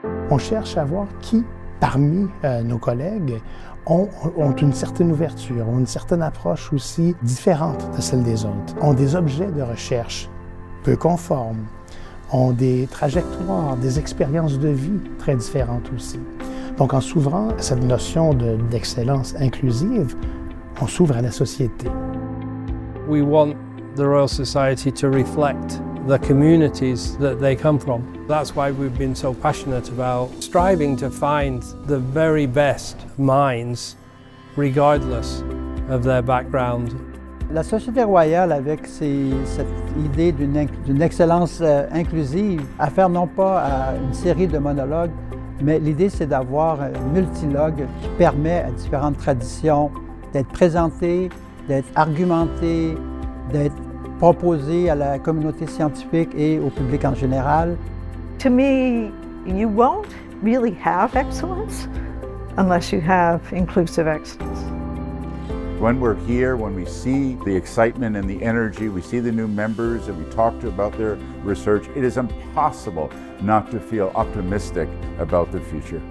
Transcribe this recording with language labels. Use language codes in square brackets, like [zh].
[fr] On cherche à voir qui parmi nos collègues ont une certaine ouverture, ont une certaine approche aussi différente de celle des autres, ont des objets de recherche peu conformes, ont des trajectoires, des expériences de vie très différentes aussi. Donc en s'ouvrant à cette notion d'excellence inclusive, on s'ouvre à la société. [en] We want the Royal Society to reflect the communities that they come from. That's why we've been so passionate about striving to find the very best minds, regardless of their background. [fr] La Société Royale, avec cette idée d'une excellence inclusive, à faire non pas à une série de monologues, mais l'idée c'est d'avoir un multilogue qui permet à différentes traditions d'être présentées, d'être argumentées, d'être proposées à la communauté scientifique et au public en général. [en] To me, you won't really have excellence unless you have inclusive excellence. When we're here, when we see the excitement and the energy, we see the new members and we talk to about their research, it is impossible not to feel optimistic about the future.